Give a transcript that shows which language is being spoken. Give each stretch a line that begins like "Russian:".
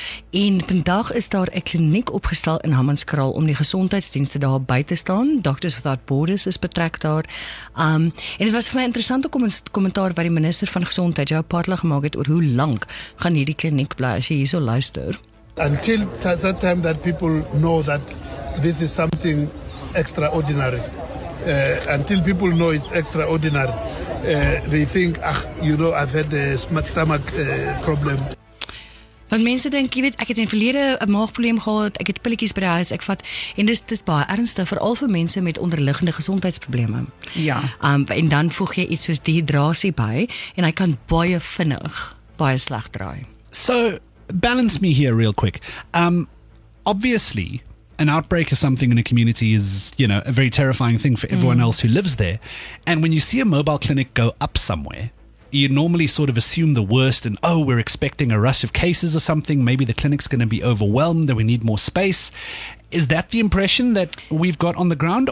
Afrikaans: En vandag is daar 'n kliniek opgestel in Hammanskraal om die gesondheidsdienste daar by te staan. Doctors Without Borders is betrek daar. En het was vir my interessante kommentaar wat die minister van gesondheid jou partner gemaak het oor hoe lank gaan die kliniek bly as jy hier so luister.
English: Until that time that people know that this is something extraordinary. Until people know it's extraordinary, they think, you know, I've had a stomach problem.
Afrikaans: Want mense dink, jy weet, ek het in verlede 'n maagprobleem gehad, ek het pilletjies by die huis, ek vat, en dis baie ernstig, veral vir mense met onderliggende gesondheidsprobleme. Ja. En dan voeg jy iets soos dehydrasie by, en hy kan baie vinnig baie sleg draai.
English: So, balance me here real quick. Obviously, an outbreak of something in a community is, you know, a very terrifying thing for everyone else who lives there. And when you see a mobile clinic go up somewhere, you normally sort of assume the worst and, oh, we're expecting a rush of cases or something. Maybe the clinic's going to be overwhelmed and we need more space. Is that the impression that we've got on the ground?